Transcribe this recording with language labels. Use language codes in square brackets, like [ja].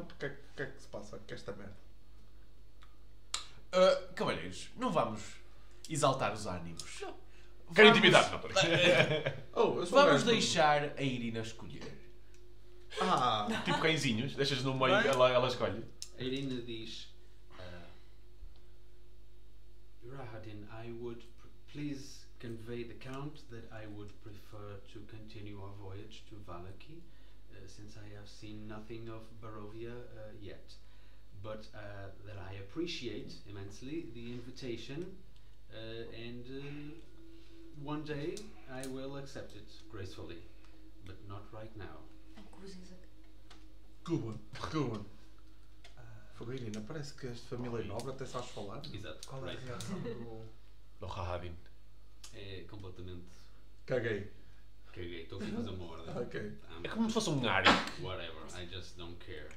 [pt] Porquê que é que se passa com esta merda? Cavalheiros, não vamos exaltar os ânimos. Não. Quero intimidar, não parece? Vamos deixar a Irina escolher. Ah, tipo cãezinhos, deixas no meio, ela escolhe. A Irina diz: [en] Rahadin, I would please convey the Count that I would prefer to continue our voyage to Valaki, since I have seen nothing of Barovia yet. But that I appreciate immensely the invitation, and one day I will accept it gracefully, but not right now. Good one. [pt] Fabirina, parece que esta família é nobre, até sabes falar. Exato. Qual é a reação do Rahadin? É completamente... Caguei, estou aqui a fazer uma ordem. Okay. É como se fosse um ar. [en] Whatever, I just don't care.